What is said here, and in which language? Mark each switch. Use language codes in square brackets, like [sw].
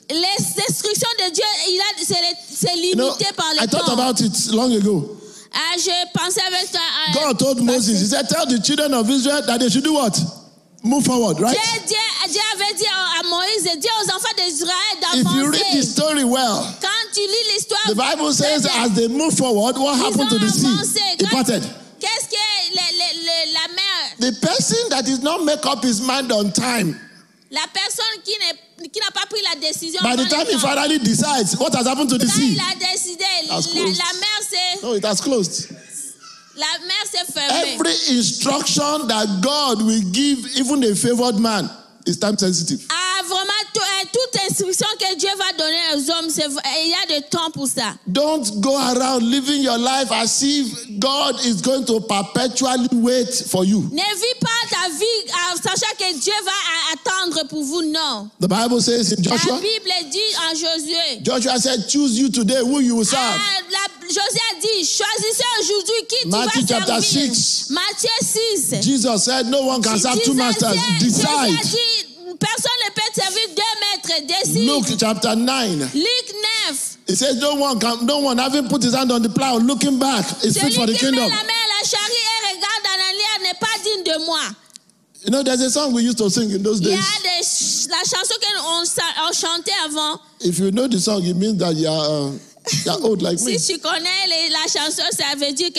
[fr] Les instructions de Dieu, il a, c'est limité, [en] you know, [fr] par le [en] I thought [fr] temps. [en] About it long ago. [fr] Je pensais avec toi, [en] God told Moses, he said, tell the children of Israel that they should do what? Move forward, right? [fr] Dieu avait dit à Moïse, Dieu aux enfants d'Israël d'avancer. [en] If you read the story well, [fr] quand tu lis l'histoire, [en] the Bible says as they move forward, what happened to the sea? [fr] Quand, [en] it parted. [fr] Qu'est-ce que la mer? [en] The person that is not make up his mind on time, [fr] la personne qui n'a pas pris la décision. [en] By the time he finally decides, what has happened to the sea? [fr] Il a décidé, la mer s'est... [en] No, it has closed. [fr] La mer s'est fermée. [en] Every instruction that God will give, even a favored man, is time sensitive. [fr] Ah, vraiment, toute instruction que Dieu va donner aux hommes, il y a de temps pour ça. [en] Don't go around living your life as if God is going to perpetually wait for you. [fr] Ne vis pas ta vie en sachant que Dieu va attendre pour vous, non. [en] The Bible says in Joshua. [fr] La Bible dit en Josué. [en] Joshua said, choose you today who you will serve. [fr] Josué a dit, choisissez aujourd'hui qui tu vas servir. [en] Matthew chapter 6. [fr] Matthieu 6. [en] Jesus said, no one can serve two masters. Decide. [fr] Personne ne peut servir deux maîtres. Décide. [en] Luke chapter 9. [fr] Luke 9. [en] It says no one having put his hand on the plow looking back is fit for the kingdom. [fr] Celui qui met la main à la charrie et regarde en arrière n'est pas digne de moi. [en] You know, there's a song we used to sing in those days. [fr] Il y a la chanson que on chantait avant. [en] If you know the song, it means that you're old like me. [fr] Si tu connais la chanson, ça veut dire que